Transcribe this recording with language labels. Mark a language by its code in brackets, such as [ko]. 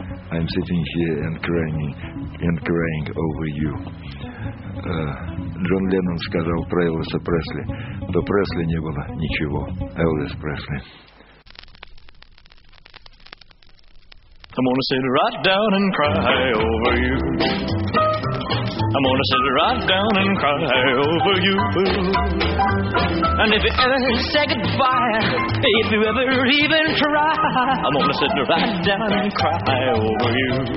[en] I'm sitting here and crying over you. [ru] Джон Леннон сказал про Элвиса Пресли: до Пресли не было ничего. Элвис Пресли. [en] I'm gonna sit right down and cry over you. I'm gonna sit right down and cry over you. And if you ever say goodbye, if you ever even try, I'm gonna sit right down and cry over you.